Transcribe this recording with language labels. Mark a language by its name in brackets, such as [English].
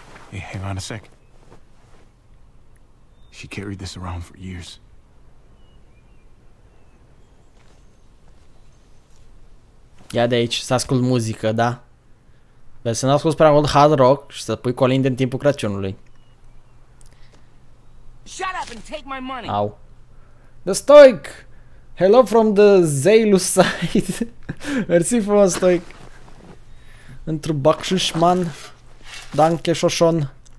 [English] Hey, hang on a sec. She carried this around for years. [Romanian] Ia de aici, să ascult muzică, da? Vezi, să nu ascult prea mult hard rock și să pui colinde în timpul Crăciunului. [English] Shut up and take my money. Au. The Stoic! Hello from the Zaylu side. [Romanian] Mersi frumos, [English] Stoic. Într-o bakshishman. Danke, Shoshon.